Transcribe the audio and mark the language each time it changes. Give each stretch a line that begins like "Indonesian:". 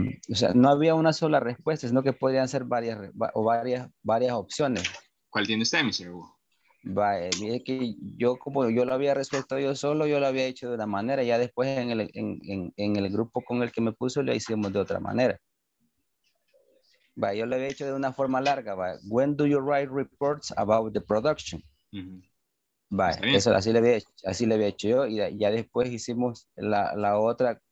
Spanish: O sea, no había una sola respuesta, sino que podrían ser varias opciones. ¿Cuál tiene usted, Mr. Wu? Mire que yo, como yo lo había resuelto yo solo, yo lo había hecho de una manera. Ya después en el grupo con el que me puso, lo hicimos de otra manera. Yo lo había hecho de una forma larga.
English: When do you write reports about the production? Mm-hmm.
Spanish: Vale, eso así le había hecho yo, y ya después hicimos la otra.